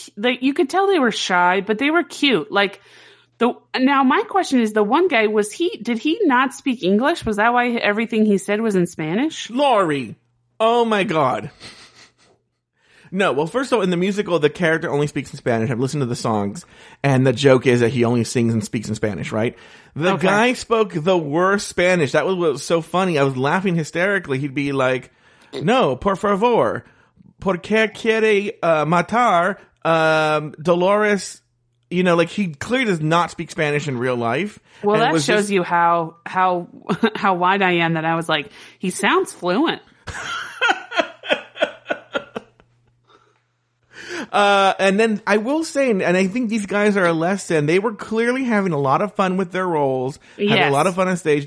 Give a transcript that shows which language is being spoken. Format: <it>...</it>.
<en>you could tell they were shy, but they were cute. Like, now, my question is, the one guy, did he not speak English? Was that why everything he said was in Spanish? Laurie! Oh, my God. No, well, first of all, in the musical, the character only speaks in Spanish. I've listened to the songs, and the joke is that he only sings and speaks in Spanish, right? The guy spoke the worst Spanish. That was what was so funny. I was laughing hysterically. He'd be like,</en> <es>no, por favor, ¿por qué quiere matar Dolores?</es> <en>You know, like, he clearly does not speak Spanish in real life. Well, that shows you how wide I am that I was like, he sounds fluent. And then I will say, and I think these guys are a lesson, they were clearly having a lot of fun with their roles, yes. Had a lot of fun on stage.</en>